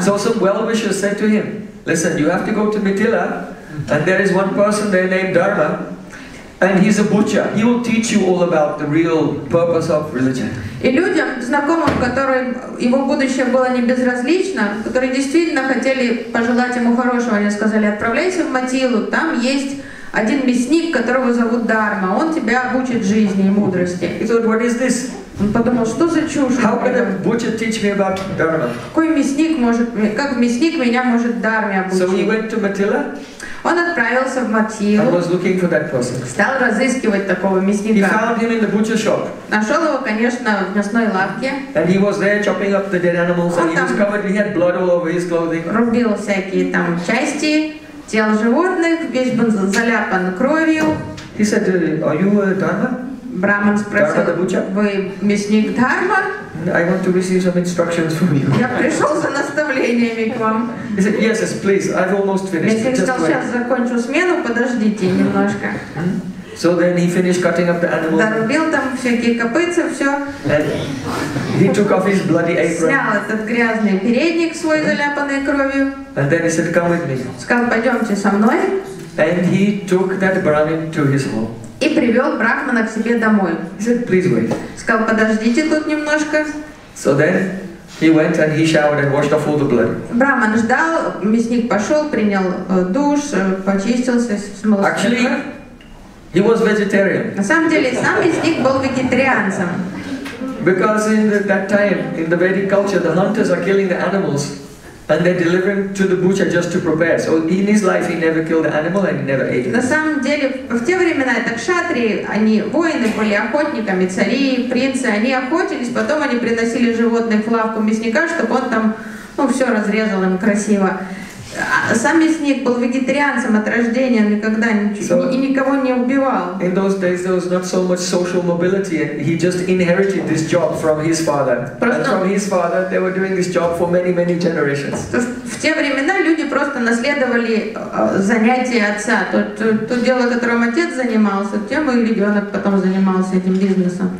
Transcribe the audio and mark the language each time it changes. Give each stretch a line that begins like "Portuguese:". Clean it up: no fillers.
English: So some well-wishers said to him, listen, you have to go to Mithila, and there is one person there named Dharma, And he's a butcher. He will teach you all about the real purpose of religion.
Russian: И людям, знакомым, которым его будущее было не безразлично, которые действительно хотели пожелать ему хорошего, они сказали: отправляйся в Матилу, там есть один мясник, которого зовут Дарма, он тебя обучит жизни и мудрости.
English: He thought, what is this?
Russian: Он подумал, что за чушь?
English: How can a butcher teach me about Dharma?
Russian: Какой мясник может, как мясник меня может Дарме обучить?
English: So he went to Matila.
Russian: Он отправился в Матилу.
English: Was looking for that person.
Russian: Стал разыскивать такого мясника.
English: He found him in the butcher shop.
Russian: Нашел его, конечно, в мясной лавке.
English: And he was there chopping up the dead animals, and he was covered. He had blood all over his clothing.
Russian: Рубил всякие там части тел животных, весь был заляпан кровью.
English: He said, "Are you a Dharma?"
Russian: Браман спросил: вы мясник Дарма?
English: I want to receive some instructions from you.
Russian: Я пришел за наставлениями к вам.
English: He said, yes, yes, please. I've almost finished.
Russian: Мясник сказал: сейчас закончу смену, подождите немножко.
English: So then he finished cutting up the animal.
Russian: Дорубил там всякие копытца, все.
English: And he took off his bloody apron.
Russian: Снял этот грязный передник свой, заляпанный кровью.
English: And then he said, come with me.
Russian: Сказал: пойдемте со мной.
English: And he took that Brahmin to his home.
Russian: И привел брахмана к себе домой.
English: He said, please wait.
Russian: Сказал: подождите тут немножко.
English: So then he went and he showered and washed off all the blood.
Russian: Браман ждал, мясник пошел, принял душ, почистился, смыл кровь.
English: Actually, he was vegetarian.
Russian: На самом деле, сам мясник был вегетарианцем.
English: Because in that time, in the Vedic culture, the hunters are killing the animals. And they're delivering to the butcher just to prepare. So in his life, he never killed an animal and he never ate it.
Russian: На самом деле, в те времена, это кшатрии, они воины были охотниками, цари, принцы, они охотились, потом они приносили животное в лавку мясника, чтобы он там, ну, все разрезал им красиво. Сам мясник был вегетарианцем от рождения, никогда и никого не убивал.
English: In those days there was not so much social mobility, and he just inherited this job from his father. And from his father they were doing this job for many, many generations.
Russian: В те времена люди просто наследовали занятия отца. То дело, которым отец занимался, тем и ребенок потом занимался этим бизнесом.